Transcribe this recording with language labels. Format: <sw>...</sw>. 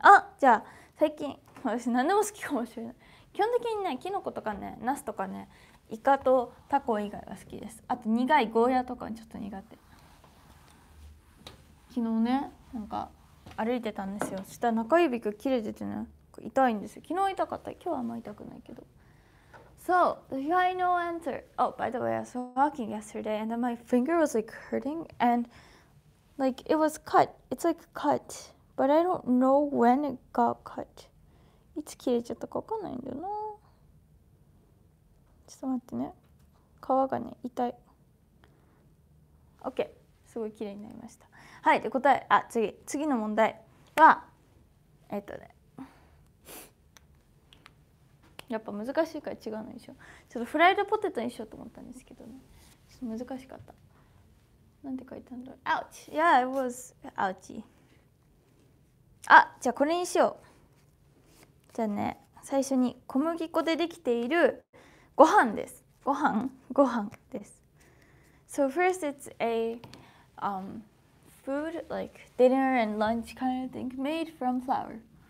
<ja>あじゃあ最近私何でも好きかもしれない。基本的にねキノコとかねナスとかねイカとタコ以外は好きです。あと苦いゴーヤとかちょっと苦手。昨日ねなんか歩いてたんですよ。そしたら中指が切れててね痛いんですよ。昨日痛かった。今日はあんま痛くないけど。</ja> <en>So, the final answer. Oh, by the way, I was walking yesterday and then my finger was like hurting and like it was cut. It's like cut. But I don't know when it got cut.</en> <ja>いつ切れちゃったかわかんないんだよな。ちょっと待ってね。皮がね、痛い。OK。すごい綺麗になりました。はい。で、答え、あ、次。次の問題は、ね。やっぱ難しいから違うのにしよう。ちょっとフライドポテトにしようと思ったんですけどね。ちょっと難しかった。なんて書いたんだろう。</ja> <en>Ouch! Yeah, it was ouchy.</en> <ja>あ、じゃあこれにしよう。じゃあね、最初に小麦粉でできているご飯です。ご飯？ご飯です。</ja> <en>So first it's a food like dinner and lunch kind of thing made from flour.</en>